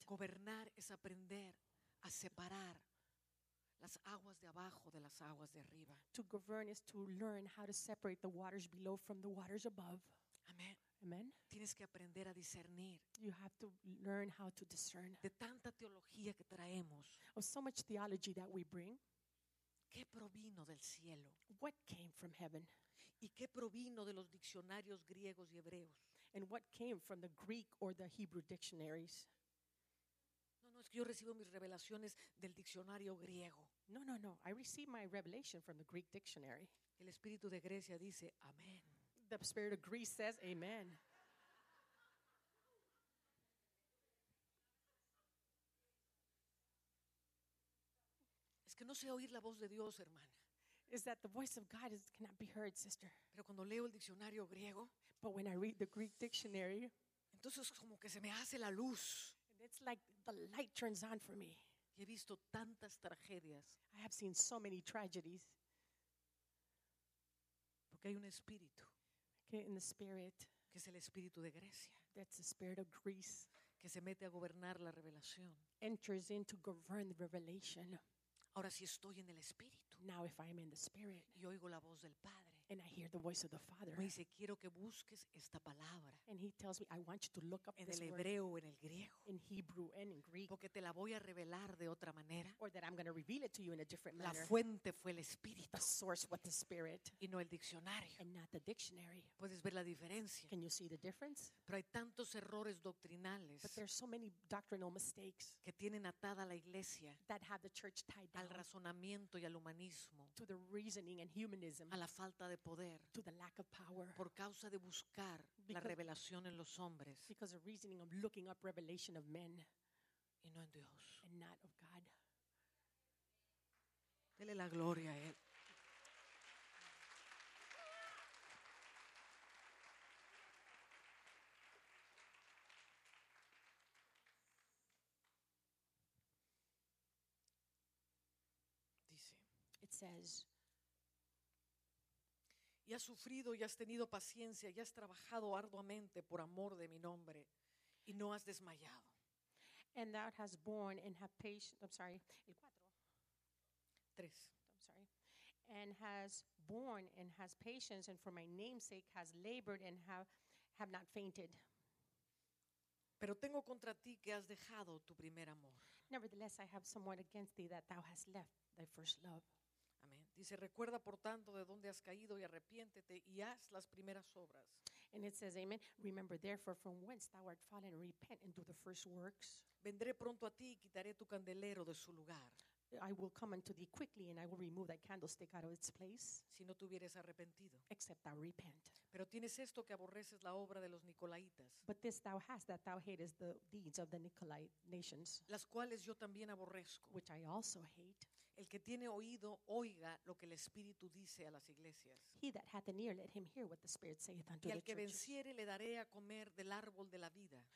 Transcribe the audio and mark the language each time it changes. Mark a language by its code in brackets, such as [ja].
[es] Gobernar es aprender a separar las aguas de abajo de las aguas de arriba. [en] To govern is to learn how to separate the waters below from the waters above. [es] Amen. [en] Amen. [es] Tienes que aprender a discernir. [en] You have to learn how to discern. [es] De tanta teología que traemos. [en] Of so much theology that we bring. [es] ¿Qué provino del cielo? [en] What came from heaven? [es] ¿Y qué provino de los diccionarios griegos y hebreos? [en] And what came from the Greek or the Hebrew dictionaries? [es] No, es que yo recibo mis revelaciones del diccionario griego. [en] No. I receive my revelation from the Greek dictionary. [es] El espíritu de Grecia dice, amén. [en] The spirit of Greece says, amen. [es] Es que no sé oír la voz de Dios, hermana. [en] Is that the voice of God cannot be heard, sister. [es] Pero cuando leo el diccionario griego. [en] But when I read the Greek dictionary. [es] Entonces como que se me hace la luz. [en] It's like the light turns on for me. [es] He visto tantas tragedias. [en] I have seen so many tragedies. [es] Porque hay un espíritu. [en] Okay, in the spirit. [es] Que es el espíritu de Grecia. [en] That's the spirit of Greece. [es] Que se mete a gobernar la revelación. [en] Enters in to govern the revelation. [es] Ahora si estoy en el espíritu. [en] Now if I'm in the spirit. [es] Y oigo la voz del Padre. [en] And I hear the voice of the Father. [es] Me dice, quiero que busques esta palabra. [en] And he tells me, I want you to look up [es] en [en] this [es] el hebreo [en] word, [es] en el griego. [en] In Hebrew and in Greek. [es] Porque te la voy a revelar de otra manera. [en] Or that I'm going to to reveal it to you in a different manner. [es] La fuente fue el espíritu. [en] The source was the spirit. [es] Y no el diccionario. [en] And not the dictionary. [es] ¿Puedes ver la diferencia? [en] Can you see the difference? [es] Pero hay tantos errores doctrinales. [en] But there are so many doctrinal mistakes. [es] Que tienen atada la iglesia. [en] That have the church tied down. [es] Al razonamiento y al humanismo. [en] To the reasoning and humanism. [es] A la falta de poder. [en] To the lack of power. [es] Por causa de buscar la revelación en los hombres. [en] Because of reasoning of looking up revelation of men. [es] Y no en Dios. [en] And not of God. [es] Dele la gloria a Él. Dice. [en] It says. [es] Y has sufrido y has tenido paciencia y has trabajado arduamente por amor de mi nombre y no has desmayado. [en] And thou hast borne and have patience. I'm sorry. [es] El cuatro. Tres. [en] I'm sorry. And has borne and has patience, and for my name's sake has labored and have not fainted. [es] Pero tengo contra ti que has dejado tu primer amor. [en] Nevertheless, I have somewhat against thee that thou hast left thy first love. [es] Amén. Dice, recuerda por tanto de dónde has caído y arrepiéntete y haz las primeras obras. [en] And it says, amen, remember therefore from whence thou art fallen, repent and do the first works. [es] Vendré pronto a ti y quitaré tu candelero de su lugar. [en] I will come unto thee quickly and I will remove that candlestick out of its place. [es] Si no te hubieres arrepentido. [en] Except thou repent. [es] Pero tienes esto que aborreces la obra de los Nicolaitas. [en] But this thou hast, that thou hatest the deeds of the Nicolaite nations. [es] Las cuales yo también aborrezco. [en] Which I also hate. [es] El que tiene oído, oiga lo que el Espíritu dice a las iglesias. [en] He that hath an ear, let him hear what the Spirit saith unto the churches. [es] Y al que venciere, le daré a comer del árbol de la vida.